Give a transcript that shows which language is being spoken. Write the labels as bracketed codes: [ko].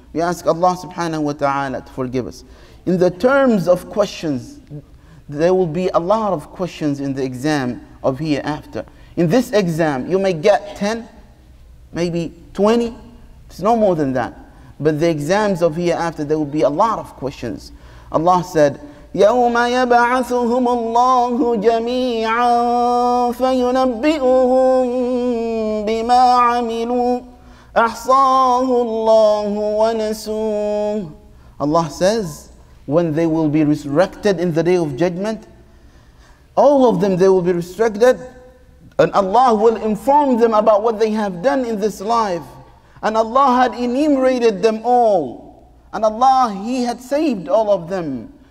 [en] We ask Allah subhanahu wa ta'ala to forgive us. In the terms of questions, there will be a lot of questions in the exam of hereafter. In this exam, you may get 10, maybe 20, it's no more than that. But the exams of hereafter, there will be a lot of questions. Allah said, [ar] يَوْمَ يَبْعَثُهُمُ اللَّهُ جَمِيعًا فَيُنَبِّئُهُمْ بِمَا عَمِلُوا أَحْصَاهُ اللَّهُ وَنَسُوهُ. [en] Allah says, when they will be resurrected in the day of judgment, all of them, they will be resurrected, and Allah will inform them about what they have done in this life. And Allah had enumerated them all, and Allah, He had saved all of them.